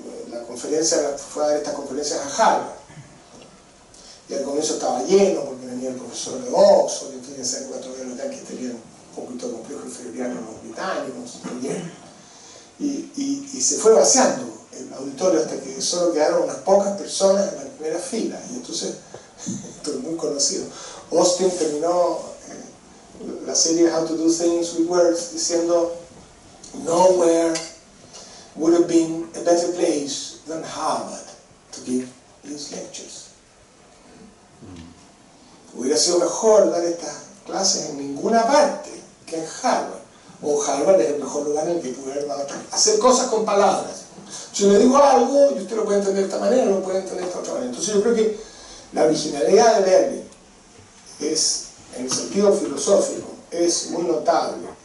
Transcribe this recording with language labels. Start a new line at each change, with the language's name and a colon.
Spanish: La conferencia fue a dar estas conferencias a Harvard. Y al comienzo estaba lleno porque venía el profesor de Oxford, y fíjense, cuatro de los yanquis tenían un poquito de complejo inferioriano a los británicos también. Y se fue vaciando el auditorio hasta que solo quedaron unas pocas personas en la primera fila. Y entonces, esto es muy conocido.
English: Austin
Spanish: terminó la serie
English: How to Do Things with Words
Spanish: diciendo:
English: "Nowhere would have been a better place than Harvard to give these lectures."
Spanish: pareció mejor dar estas clases en ninguna parte que en Harvard. O Harvard es el mejor lugar en el que pude haber dado. Hacer cosas con palabras. Yo le digo algo y usted lo puede entender de esta manera o lo puede entender de esta otra manera. Entonces yo creo que la originalidad de Berlín es, en el sentido filosófico, es muy notable.